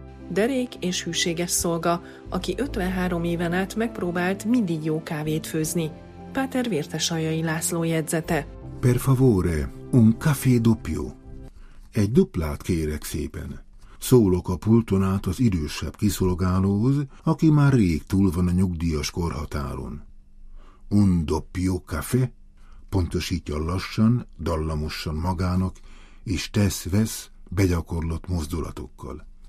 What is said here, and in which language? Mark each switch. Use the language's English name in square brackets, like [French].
[Hungarian] Derék és hűséges szolga, aki 53 éven át megpróbált mindig jó kávét főzni. Páter Vértesaljai László jegyzete. [Italian] Per favore, un café doppio. [Hungarian] Egy duplát kérek szépen. Szólok a pulton át az idősebb kiszolgálóhoz, aki már rég túl van a nyugdíjas korhatáron. [Italian] Un doppio café, [Hungarian] pontosítja lassan, dallamosan magának, és tesz-vesz begyakorlott mozdulatokkal.